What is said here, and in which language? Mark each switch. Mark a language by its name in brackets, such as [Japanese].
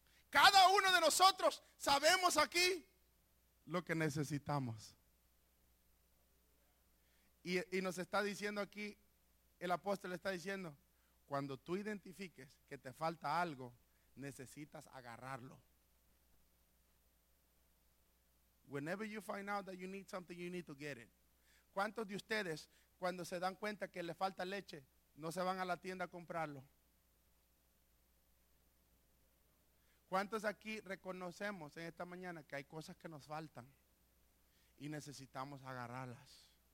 [Spanish] Cada uno de nosotros sabemos aquí lo que necesitamos. Y nos está diciendo aquí, el apóstol está diciendo, cuando tú identifiques que te falta algo, necesitas agarrarlo. [English] Whenever you find out that you need something, you need to get it. [Spanish] ¿Cuántos de ustedes, cuando se dan cuenta que le falta leche, no se van a la tienda a comprarlo? ¿Cuántos aquí reconocemos en esta mañana que hay cosas que nos faltan y necesitamos agarrarlas?